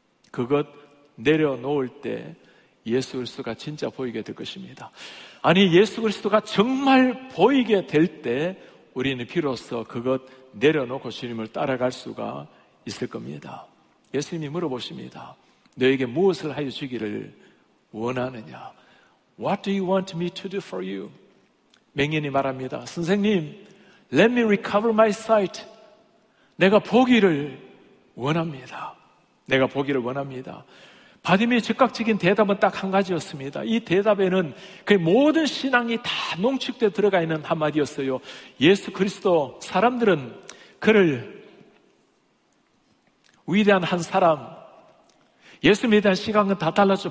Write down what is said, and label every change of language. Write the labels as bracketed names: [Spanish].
[Korean] 그것 내려놓을 때 예수 그리스도가 진짜 보이게 될 것입니다. 아니, 예수 그리스도가 정말 보이게 될 때 우리는 비로소 그것 내려놓고 주님을 따라갈 수가 있을 겁니다. 예수님이 물어보십니다. 너에게 무엇을 하여 주기를 원하느냐? [English] What do you want me to do for you? [Korean] 맹인이 말합니다. 선생님, [English] let me recover my sight. [Korean] 내가 보기를 원합니다. 내가 보기를 원합니다. 바디메오의 즉각적인 대답은 딱 한 가지였습니다. 이 대답에는 그 모든 신앙이 다 농축되어 들어가 있는 한마디였어요. 예수 그리스도, 사람들은 그를 위대한 한 사람, 예수님에 대한 시각은 다 달랐죠.